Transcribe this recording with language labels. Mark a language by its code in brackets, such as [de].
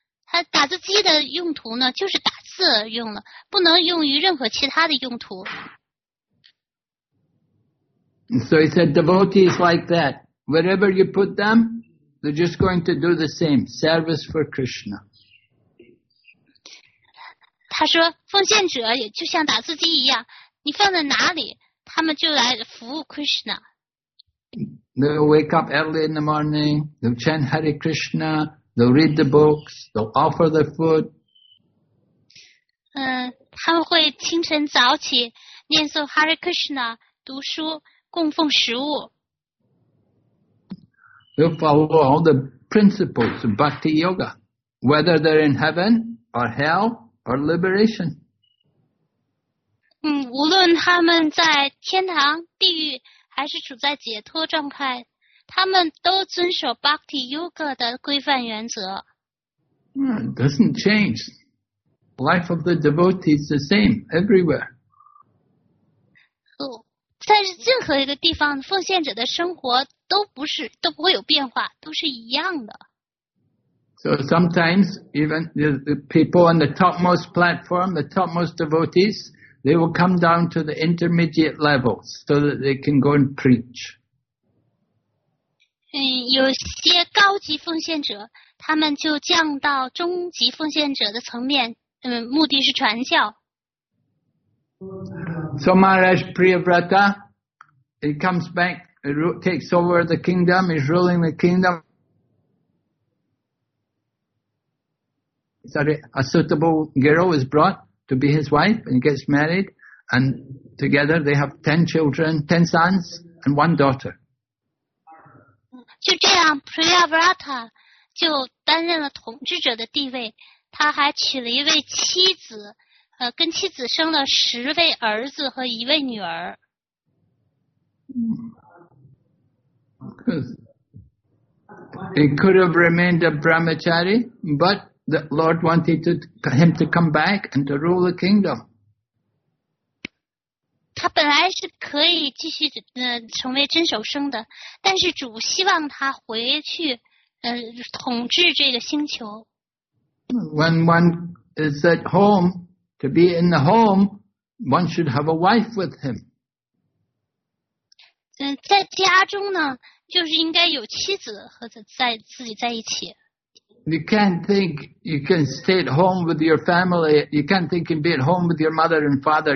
[zh] 他打字机的用途呢就是打字用了，不能用于任何其他的用途。 [en] So he said, devotees like that, wherever you put them,They're just going to do the same, service for Krishna. [zh] 他说奉献者也就像打字机一样，你放在哪里他们就来服务 Krishna. [en] They'll wake up early in the morning, they'll chant Hare Krishna, they'll read the books, they'll offer their food. [zh] 他们会清晨早起念诵 Hare Krishna, 读书供奉食物。 [en] They'll follow all the principles of Bhakti Yoga, whether they're in heaven or hell or liberation. [zh] 无论他们在天堂、地狱还是处在解脱状态，他们都遵守 Bhakti Yoga 的规范原则。 [en] Doesn't change. Life of the devotee is the same everywhere. [zh] 在任何一个地方，奉献者的生活都不会有变化，都是一样的。 [en] So sometimes even the people on the topmost platform, the topmost devotees, they will come down to the intermediate level so that they can go and preach. [zh] 有些高级奉献者，他们就降到中级奉献者的层面，目的是传教。 [en] So Maharaj Priyavrata, he comes back, he takes over the kingdom, he's ruling the kingdom. Sorry, a suitable girl is brought to be his wife and gets married, and together they have 10 sons and 1 daughter. [zh] 就这样 Priyavrata 就担任了统治者的地位，他还娶了一位妻子。跟妻子生了10位儿子和1位女儿。 [en] He could have remained a brahmachari, but the Lord wanted him to come back and to rule the kingdom. [zh] 他本来是可以继续成为真守生的，但是主希望他回去统治这个星球。 [en] When one is at home,To be in the home, one should have a wife with him. [zh] 在家中呢，就是应该有妻子和自己在一起。 [en] You can't think you can stay at home with your family. You can't think you can be at home with your mother and father.